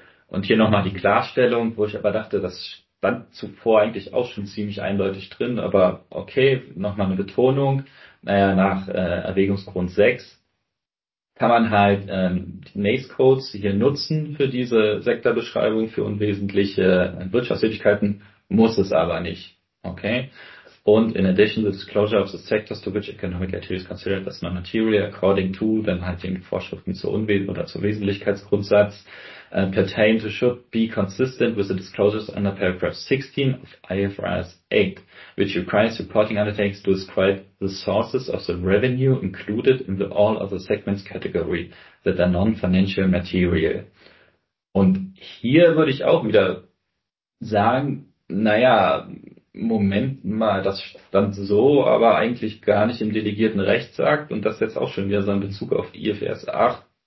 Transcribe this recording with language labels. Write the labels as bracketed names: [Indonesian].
[German] Und hier nochmal die Klarstellung, wo ich aber dachte, das stand zuvor eigentlich auch schon ziemlich eindeutig drin, aber okay, nochmal eine Betonung. Naja, nach Erwägungsgrund 6 kann man halt die NACE-Codes hier nutzen für diese Sektorbeschreibung für unwesentliche Wirtschaftstätigkeiten, muss es aber nicht. Okay. [English] Und in addition, the disclosure of the sectors to which economic activity is considered as non-material according to, [German] dann halt den Vorschriften zur Unwesen oder zur Wesentlichkeitsgrundsatz, [English] pertain to should be consistent with the disclosures under paragraph 16 of IFRS 8, which requires reporting undertakings to describe the sources of the revenue included in the all other segments category that are non-financial material. [German] Und hier würde ich auch wieder sagen, naja, Moment mal, das stand so, aber eigentlich gar nicht im delegierten Rechtsakt und das jetzt auch schon wieder so in Bezug auf die IFRS 8.